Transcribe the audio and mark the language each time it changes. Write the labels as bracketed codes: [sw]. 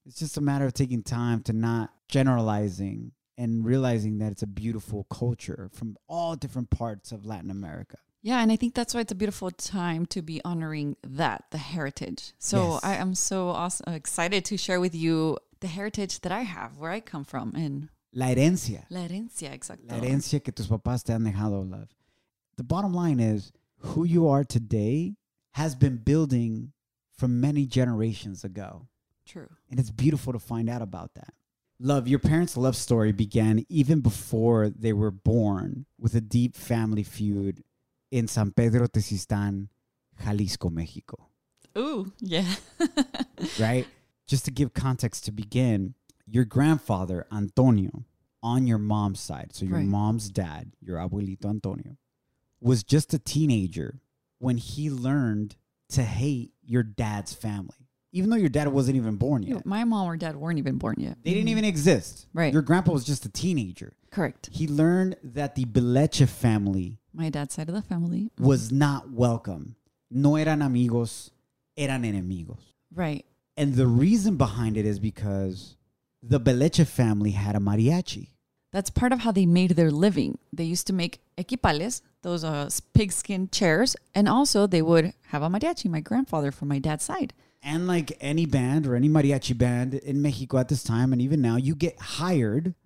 [en] It's just a matter of taking time to not generalizing and realizing that it's a beautiful culture from all different parts of Latin America. Yeah, and I think that's why it's a beautiful time to be honoring that, the heritage. So yes. I am so excited to share with you the heritage that I have, where I come from, and [es] la herencia. La herencia, exactly. La herencia que tus papás te han dejado, love. [en] The bottom line is, who you are today has been building from many generations ago. True. And it's beautiful to find out about that. Love, your parents' love story began even before they were born with a deep family feud in San Pedro Tezistán, Jalisco, Mexico. Ooh, yeah. Right? Just to give context to begin, your grandfather, Antonio, on your mom's side, so your mom's dad, your abuelito Antonio, was just a teenager when he learned to hate your dad's family, even though your dad wasn't even born yet. My mom or dad weren't even born yet. They didn't even exist. Right. Your grandpa was just a teenager. Correct. He learned that the Beleche family, my dad's side of the family, was not welcome. [es] No eran amigos, eran enemigos. [en] Right. And the reason behind it is because the Beleche family had a mariachi. That's part of how they made their living. They used to make equipales, those pigskin chairs, and also they would have a mariachi, my grandfather from my dad's side. And like any band or any mariachi band in Mexico at this time, and even now, you get hired.